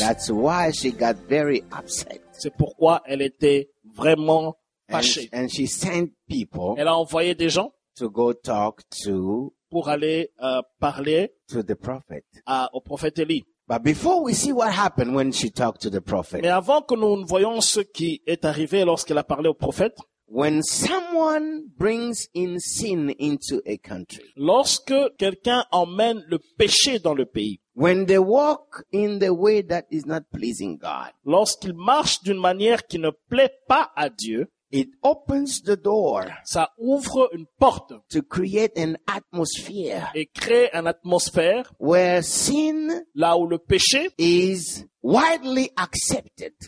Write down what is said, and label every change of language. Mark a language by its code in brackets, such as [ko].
[en] That's why she got very upset. [fr] C'est pourquoi elle était vraiment fâchée. [en] And she sent people. [fr] Elle a envoyé des gens [en] to go talk to [fr] pour aller parler [en] to the prophet. [fr] Au prophète Élie. [en] But before we see what happened when she talked to the prophet. [fr] Mais avant que nous voyons ce qui est arrivé lorsqu'elle a parlé au prophète. [en] When someone brings in sin into a country. [fr] Lorsque quelqu'un emmène le péché dans le pays. [en] When they walk in the way that is not pleasing God. [fr] Lorsqu'il marche d'une manière qui ne plaît pas à Dieu. [en] It opens the door. [fr] Ça ouvre une porte. [en] To create an atmosphere. [fr] Et crée une atmosphère. [en] Where sin. [fr] Là où le péché. [en] Is widely accepted.